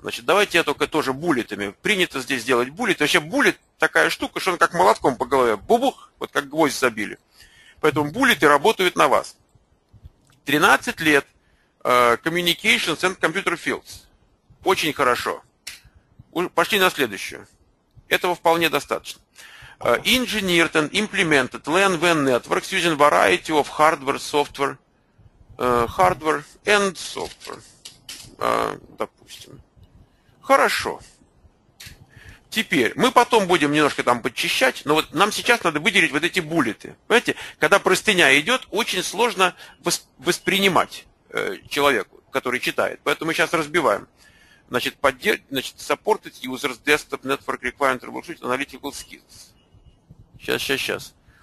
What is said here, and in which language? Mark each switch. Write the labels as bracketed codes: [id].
[ru] Значит, давайте я только тоже буллетами. Принято здесь делать буллет. Вообще, буллет – такая штука, что он как молотком по голове. Бубух, вот как гвоздь забили. Поэтому буллеты работают на вас. [en] 13 [ru] лет [en] – Communications and Computer Fields. [ru] Очень хорошо. Пошли на следующую. Этого вполне достаточно. [en] engineered and implemented LAN-WAN networks using variety of hardware, software, hardware and software. [ru] Допустим. Хорошо. Теперь, мы потом будем немножко там подчищать, но вот нам сейчас надо выделить вот эти буллеты. Понимаете, когда простыня идет, очень сложно воспринимать человеку, который читает. Поэтому мы сейчас разбиваем. Значит, [en] supported users, desktop, network, requirement, troubleshooting, analytical skills. [ru] Сейчас.